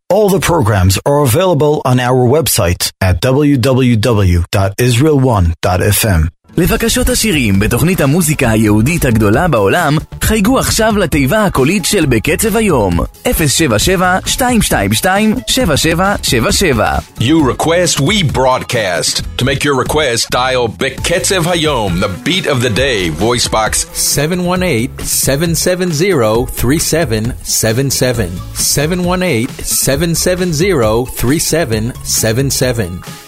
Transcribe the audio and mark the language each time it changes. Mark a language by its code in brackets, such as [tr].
[en] All the programs are available on our website at www.israel1.fm. [he] לבקשות השירים בתוכנית המוזיקה היהודית הגדולה בעולם, חייגו עכשיו לתיבה הקולית של בקצב היום. 077-222-7777. [en] You request, we broadcast. To make your request, dial בקצב היום, the beat of the day, voice box 718-770-3777. 718-770-3777.